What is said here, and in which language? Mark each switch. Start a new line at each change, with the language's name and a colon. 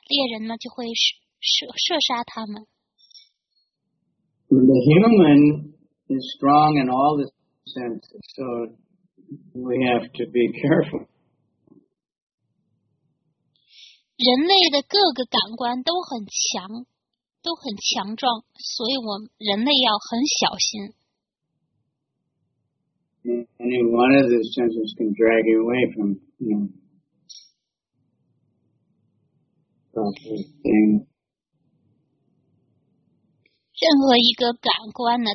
Chinese: 喜欢听音乐，一听到这个动人的音乐呢，他们就会停驻足不前，然后这样呢，猎人呢就会射杀他们。
English: The human is strong in all the senses, so we have to be careful.
Chinese: 人类的各个感官都很强壮，所以我们人类要很小心。
English: Any one of the senses can drag you away from, you know, proper thing.